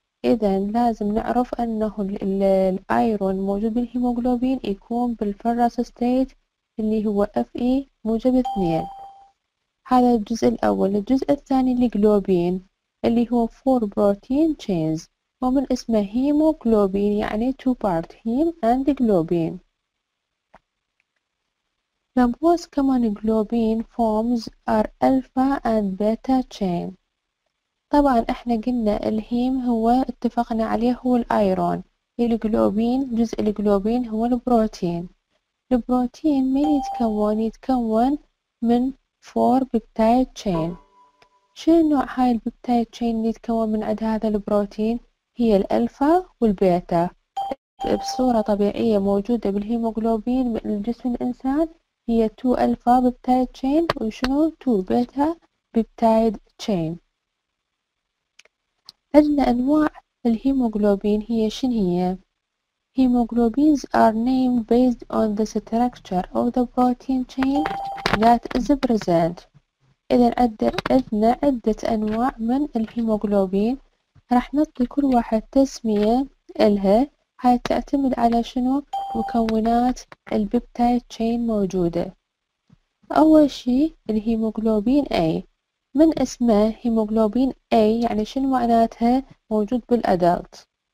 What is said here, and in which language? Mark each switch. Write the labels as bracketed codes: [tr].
[ar] إذا لازم نعرف أنه الأيرون موجود بالهيموغلوبين يكون بالفيروس ستيت اللي هو Fe موجب 2. هذا الجزء الأول. الجزء الثاني الجلوبين اللي هو 4 protein chains، ومن اسمه هيموغلوبين يعني [en] 2 part heme and globin. The most common globin forms are alpha and beta chain. [ar] طبعا احنا قلنا الهيم هو اتفقنا عليه هو الايرون، الجلوبين جزء الجلوبين هو البروتين. البروتين من يتكون؟ يتكون من 4 peptide chain. شنو نوع هاي البيبتايد تشين اللي يتكون من عند هذا البروتين؟ هي الألفا والبيتا. بصورة طبيعية موجودة بالهيموغلوبين بالجسم الإنسان هي 2 ألفا peptide chain وشنو 2 بيتا peptide chain. عندنا أنواع الهيموغلوبين هي شنو هي؟ [en] Hemoglobins are named based on the structure of the protein chain that is present. [ar] إذا عندنا عدة أنواع من الهيموغلوبين، راح نعطي كل واحد تسمية لها هاي تعتمد على شنو مكونات البيبتايد تشين موجودة. أول شي الهيموغلوبين أي، من اسمه هيموغلوبين أي يعني شنو معناتها موجود بالأدلت.